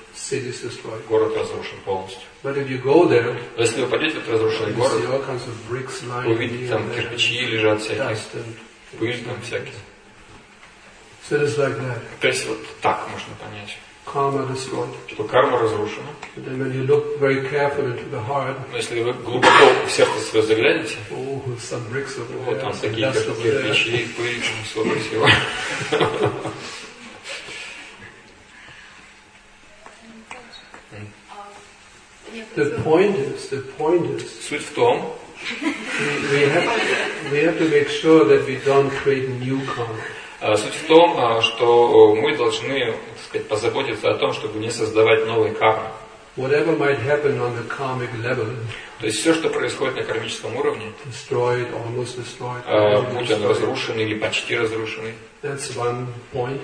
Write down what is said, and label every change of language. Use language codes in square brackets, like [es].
[en] City is destroyed. [ru] Город разрушен полностью. [en] But if you go there, [ru] но если вы пойдете в этот разрушенный город, [en] see all kinds of bricks lying, [ru] вы увидите там кирпичи лежат всякие, пыль там всякие. [en] So it is like that. [ru] То есть вот так можно понять. [en] karma destroyed. [ru] Что карма разрушена. [en] And then when you look very carefully into the heart, [ru] если вы глубоко в сердце свое заглянете, [en] oh, some bricks over there, [ru] вот там такие какие-то вещи, и поищем всего всего. [en] The point is. [ru] Суть в том. [en] We have to make sure that we don't create new karma. [ru] Суть в том, что мы должны, так сказать, позаботиться о том, чтобы не создавать новой кармы. [en] Whatever might happen on the karmic level. [ru] То есть все, что происходит на кармическом уровне. [en] Destroyed, almost destroyed. [ru] Будь он разрушенный или почти разрушенный. [en] That's one point.